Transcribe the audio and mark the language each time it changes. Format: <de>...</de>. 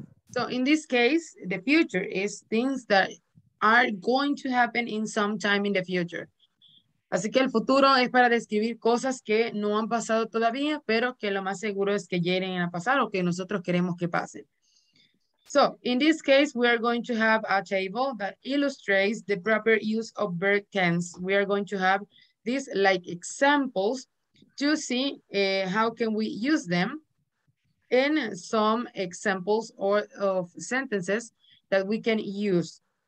<en>So in this case, the future is things that are going to happen in some time in the future.</en> <es>Así que el futuro es para describir cosas que no han pasado todavía, pero que lo más seguro es que lleguen a pasar o que nosotros queremos que pasen.</es> <en>So, in this case, we are going to have a table that illustrates the proper use of verb tense. We are going to have these like examples to see how can we use them in some examples or of sentences that we can use.</en>